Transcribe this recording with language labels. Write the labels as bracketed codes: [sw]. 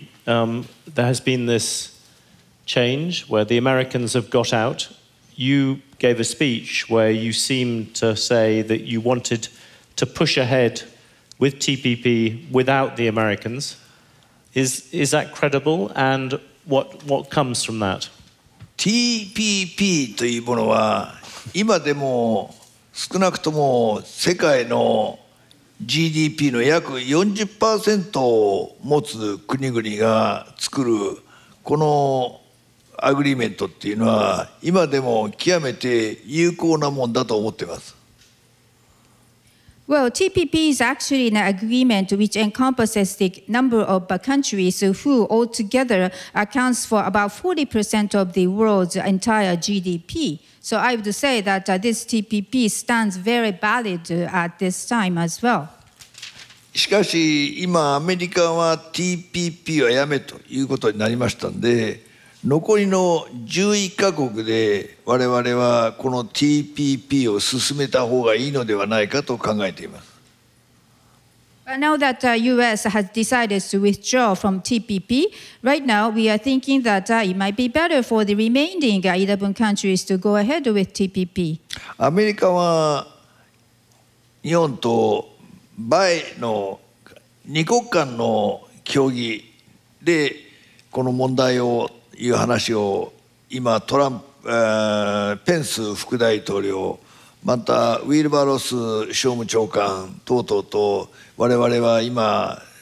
[en] There has been this change where the Americans have got out. You gave a speech where you seemed to say that you wanted to push ahead with TPP without the Americans. Is that credible? And what comes from that? [ja] TPP というものは今でも少なくとも世界の GDP の約 40% を持つ国々が作るこのアグリメントっていうのは今でも極めて有効なもんだと思っています。 [en] Well, TPP is actually an agreement which encompasses the number of countries who altogether accounts for about 40% of the world's entire GDP. So I would say that this TPP stands very valid at this time as well. [ja] しかし今アメリカは TPP をやめということになりましたので、残りの11カ国で我々はこの TPP を進めた方がいいのではないかと考えています。 [en] But now that the US has decided to withdraw from TPP, right now we are thinking that it might be better for the remaining 11 countries to go ahead with TPP. [ja] アメリカは日本と米の二国間の協議でこの問題をいう話を今トランプ、ペンス副大統領、またウィルバーロス商務長官等々と我々は今